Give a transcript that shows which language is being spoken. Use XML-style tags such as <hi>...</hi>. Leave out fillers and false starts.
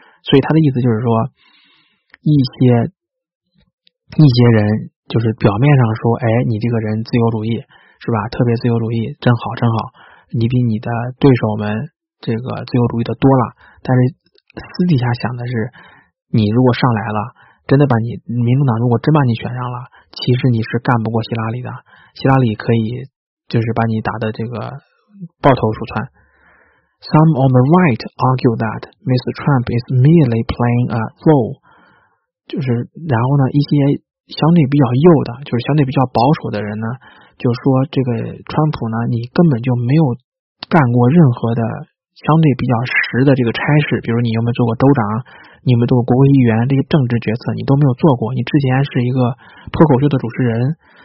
<zh>所以他的意思就是说，一些人就是表面上说，哎，你这个人自由主义是吧，特别自由主义，真好真好，你比你的对手们这个自由主义的多了，但是私底下想的是，你如果上来了，真的把你民主党如果真把你选上了，其实你是干不过希拉里的，希拉里可以就是把你打的这个抱头鼠窜。</zh> <en>Some on the right argue that Mr. Trump is merely playing a role，</en> <zh>就是然后呢一些相对比较右的，就是相对比较保守的人呢就说，这个川普呢你根本就没有干过任何的相对比较实的这个差事，比如你有没有做过州长，你有没有做过国会议员，这些政治决策你都没有做过，你之前是一个脱口秀的主持人，</zh>